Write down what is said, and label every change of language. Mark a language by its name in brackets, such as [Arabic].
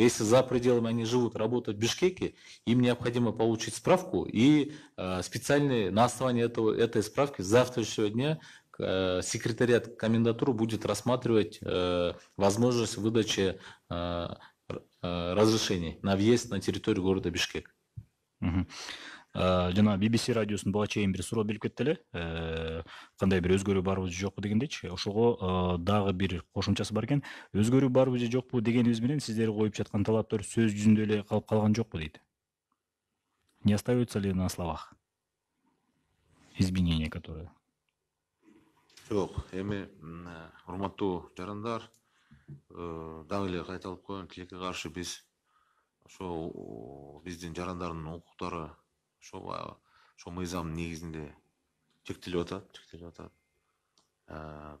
[Russian] Если за пределами они живут, работают в Бишкеке, им необходимо получить справку и специальные на основании этого, этой справки завтрашнего дня секретариат комендатуры будет рассматривать возможность выдачи разрешений на въезд на территорию города Бишкек. [Kyrgyz] Жана BBC радиосун буга чейин бир суроо берип кеттиле. Кандай бир өзгөрүү барбы же жокпу дегендечи. Ошого дагы бир кошумчасы бар экен. Өзгөрүү барбы же жокпу дегенибиз менен сиздер коюп жаткан талаптар сөз жүзүндө эле калып калган жокпу дейт. [Russian] Не остаются ли на словах изменения, которые? [Kyrgyz] Жок, эми урматтуу жарандар, дагы эле кайталып коем, тилекке каршы биз ошо биздин жарандардын укуктары ошо мыйзамдын негизинде чектелип атат.